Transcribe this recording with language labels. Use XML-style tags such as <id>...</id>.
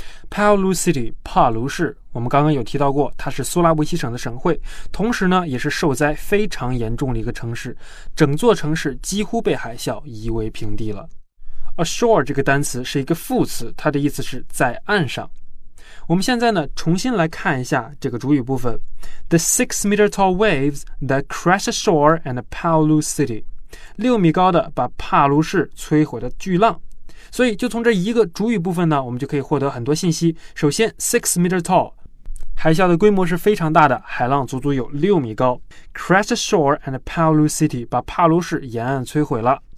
<zh>Palu city 帕鲁市，我们刚刚有提到过，它是苏拉威西省的省会，同时呢，也是受灾非常严重的一个城市，整座城市几乎被海啸夷为平地了。 Ashore 这个单词是一个副词，它的意思是在岸上。我们现在呢，重新来看一下这个主语部分。</zh> <en>The 6 meter tall waves that crash ashore and Palu city.</en> <zh>六米高的把帕鲁市摧毁的巨浪。所以就从这一个主语部分呢，我们就可以获得很多信息。</zh> <en>首先 ,6 meter tall.</en> <zh>海啸的规模是非常大的，海浪足足有六米高。</zh> <en>Crash ashore and Palu city.</en> <zh>把帕鲁市沿岸摧毁了。</zh>